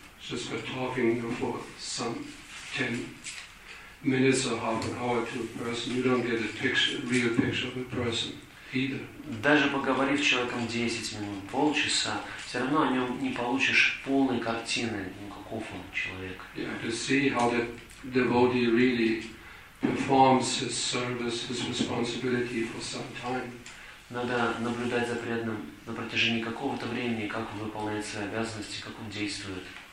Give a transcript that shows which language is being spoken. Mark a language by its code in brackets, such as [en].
[en] Just by talking for some 10 minutes or half an hour to a person, you don't get a real picture of a person either. [ru] Даже поговорив с человеком 10 минут, полчаса, все равно о нем не получишь полной картины, каков он человек. [en] Yeah, to see how the devotee really performs his service, his responsibility for some time. [ru] Надо наблюдать за преданным на протяжении какого-то времени, как он выполняет свои обязанности, как он действует.